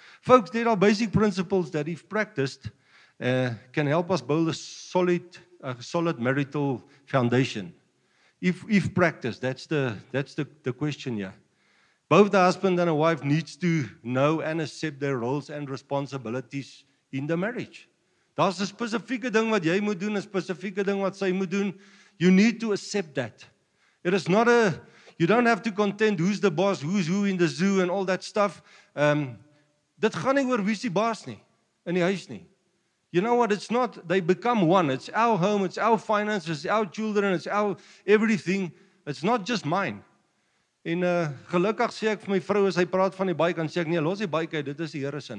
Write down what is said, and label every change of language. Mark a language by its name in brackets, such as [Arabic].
[English] Folks, there are basic principles that if practiced can help us build a solid marital foundation. If practiced, that's the question here. Both the husband and a wife needs to know and accept their roles and responsibilities in the marriage. [Afrikaans] Daar's 'n spesifieke ding wat jy moet doen, 'n spesifieke ding wat sy moet doen. [English] You need to accept that. It is not a... You don't have to contend who's the boss, who's who in the zoo and all that stuff. [Afrikaans] Dit gaan nie oor wie's die baas nie in die huis nie. [English] You know what? It's not they become one. It's our home, it's our finances, it's our children, it's our everything. It's not just mine. [Afrikaans] En gelukkig sê ek vir my vrou as hy praat van die bike, dan sê ek nee, los die bike uit, dit is die Here se.